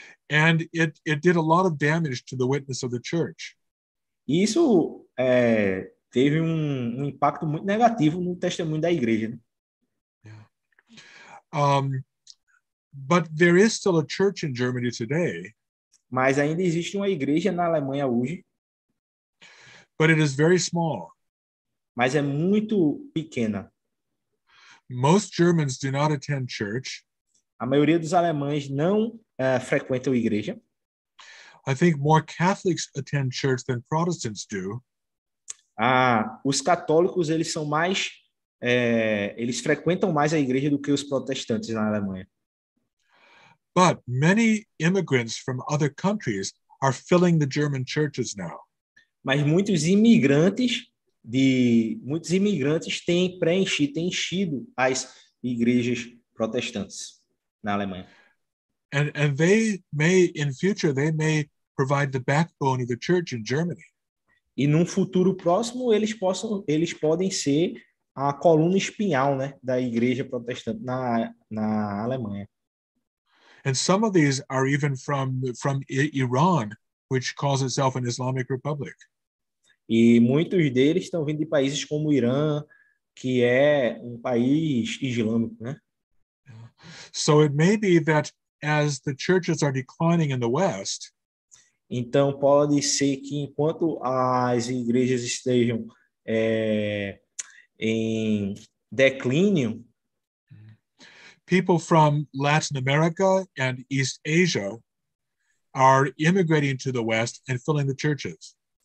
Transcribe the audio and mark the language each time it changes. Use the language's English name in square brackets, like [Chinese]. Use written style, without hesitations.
[English] And it did a lot of damage to the witness of the church. [Portuguese] Isso teve um impacto muito negativo no testemunho da igreja. Né? [English] Yeah. But there is still a church in Germany today. [Portuguese] Mas ainda existe uma igreja na Alemanha hoje. [English] But it is very small. [Portuguese] Mas é muito pequena. [English] Most Germans do not attend church. [Portuguese] A maioria dos alemães não frequenta a igreja. [English] I think more Catholics attend church than Protestants do. [Portuguese] Os católicos, eles são mais, eles frequentam mais a igreja do que os protestantes na Alemanha. [English] But many immigrants from other countries are filling the German churches now. [Portuguese] Mas muitos imigrantes têm enchido as igrejas protestantes na Alemanha. [English] And they may, in future, they may provide the backbone of the church in Germany. [Portuguese] E num futuro próximo, eles podem ser a coluna espinhal, né, da igreja protestante na Alemanha. [English] And some of these are even from Iran, which calls itself an Islamic Republic. [Portuguese] E muitos deles estão vindo de países como o Irã, que é um país islâmico, né? [English] So it may be that as the churches are declining in the West, [Portuguese] então pode ser que enquanto as igrejas estejam em declínio, [English] people from Latin America and East Asia are immigrating to the West and filling the churches.